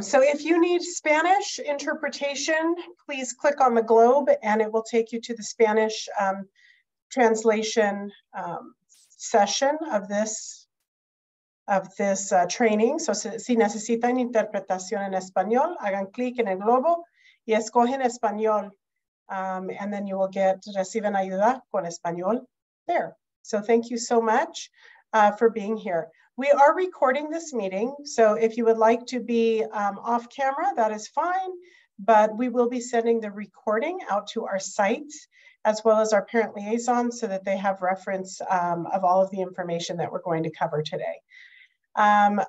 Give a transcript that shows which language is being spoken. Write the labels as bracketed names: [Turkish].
[English] So if you need Spanish interpretation, please click on the globe and it will take you to the Spanish translation session of this training. [Spanish] So si necesitan interpretación en español, hagan clic en el globo y escogen español. [English] And then you will get [Spanish] reciben ayuda con español [English] there. So thank you so much for being here. We are recording this meeting. So if you would like to be off camera, that is fine. But we will be sending the recording out to our site as well as our parent liaison so that they have reference of all of the information that we're going to cover today.